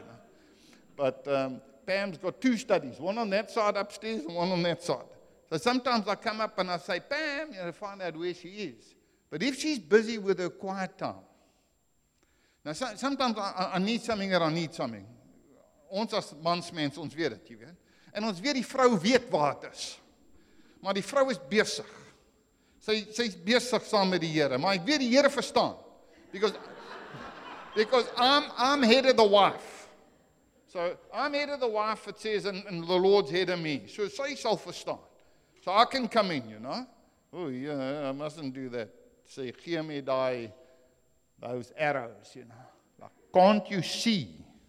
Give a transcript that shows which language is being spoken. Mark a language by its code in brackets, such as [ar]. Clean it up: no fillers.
[en] You know. But Pam's got two studies, one on that side upstairs and one on that side. So sometimes I come up and I say, Pam, and I find out where she is. But if she's busy with her quiet time, now sometimes I need something that I need something. [af] Ons as mansmens, ons weet het, [en] you know. [af] En ons weet die vrou weet waar het is. Maar die vrou is besig. Sy is besig saam met die Here. Maar ek weet die Here verstaan. [en] Because I'm head of the wife. So I'm head of the wife, it says, and the Lord's head of me. [af] So sy sal verstaan. [en] So I can come in, you know. Oh yeah, I mustn't do that. [af] Sê, gee [en] me those arrows, you know. Like, can't you see?